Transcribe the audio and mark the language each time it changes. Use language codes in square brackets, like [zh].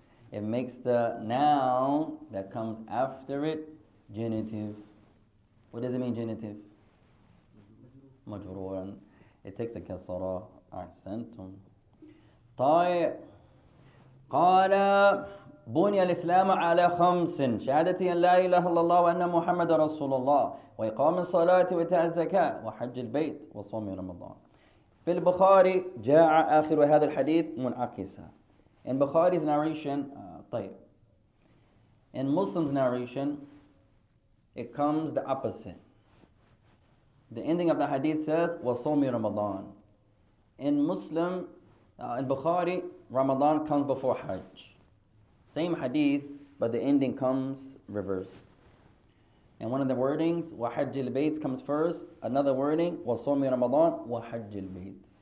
[en] It makes the noun that comes after it genitive. What does it mean genitive? [ar] مجرورا. [en] It takes a كسرة. [ar] أحسنتم. طيب. قال بني الإسلام على خمس شهادتي أن لا إله إلا الله وأن محمد رسول الله وإقام الصلاة وإيتاء الزكاة وحج البيت وصوم رمضان. في البخاري جاء آخر هذا الحديث منعكسا. [en] In Bukhari's narration, طيب. In Muslim's narration, it comes the opposite. The ending of the hadith says [ar] وصوم رمضان. [en] In Muslim, in Bukhari, Ramadan comes before Hajj. Same hadith, but the ending comes reverse. And one of the wordings, [ar] وَحَجِّ الْبَيْتِ [en] comes first. Another wording, [ar] وَصُومِ رَمَضَانِ وَحَجِّ الْبَيْتِ.